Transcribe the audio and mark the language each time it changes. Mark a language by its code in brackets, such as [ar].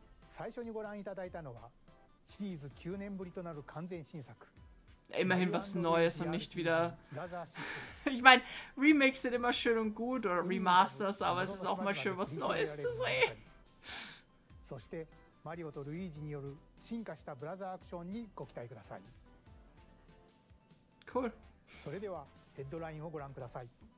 [ja] 最初にご覧いただいたのはシリーズ9年ぶりとなる完全新作。 [de] Immerhin was Neues und nicht wieder. Ich meine, Remakes sind immer schön und gut oder Remasters, aber es ist auch mal schön was Neues zu sehen. [ja] そしてマリオとルイージによる進化したブラザーアクションにご期待ください。 [en] Cool. [ja] それではヘッドラインをご覧ください。